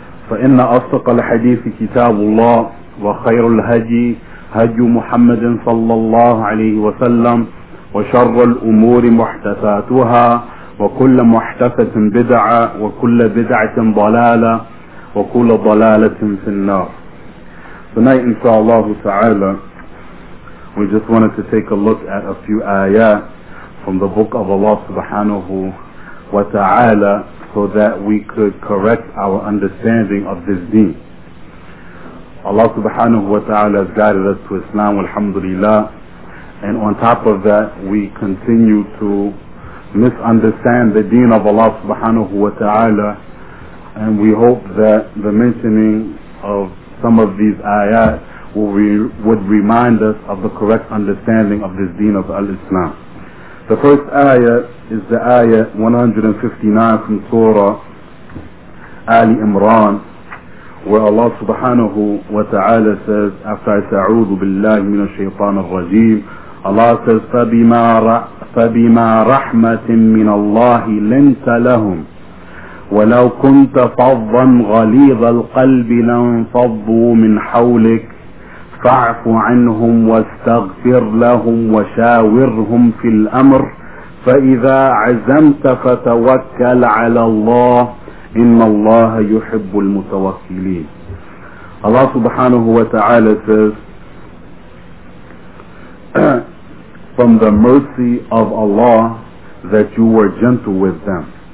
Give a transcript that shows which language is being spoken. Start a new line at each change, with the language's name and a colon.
Arabic: فإن أصدق الحديث كتاب الله وخير الهدي هدي محمد صلى الله عليه وسلم وشر الأمور محدثاتها وكل محدثة بدعة وكل بدعة ضلالة وكل ضلالة في النار.
English: Tonight, inshallah ta'ala, we just wanted to take a look at a few ayat from the book of Allah subhanahu wa ta'ala so that we could correct our understanding of this deen. Allah subhanahu wa ta'ala has guided us to Islam, alhamdulillah, and on top of that, we continue to misunderstand the deen of Allah subhanahu wa ta'ala, and we hope that the mentioning of some of these ayat would remind us of the correct understanding of this deen of al-Islam. The first ayat is the ayat 159 from Surah Ali Imran, where Allah subhanahu wa ta'ala says, after I ta'udhu billahi min ash-shaytan ar-rajim, Allah says,
Arabic: فَبِمَا رَحْمَةٍ مِّنَ اللَّهِ لِنْتَ لَهُمْ وَلَوْ كُنْتَ فَظًّا غَلِيظَ الْقَلْبِ لَانْفَضُّوا مِنْ حَوْلِكَ فَاعْفُ عَنْهُمْ وَاسْتَغْفِرْ لَهُمْ وَشَاوِرْهُمْ فِي الْأَمْرِ فَإِذَا عَزَمْتَ فَتَوَكَّلْ عَلَى اللَّهِ إِنَّ اللَّهَ يُحِبُّ الْمُتَوَكِّلِينَ.
English: Allah subhanahu wa ta'ala says, from the mercy of Allah that you were gentle with them.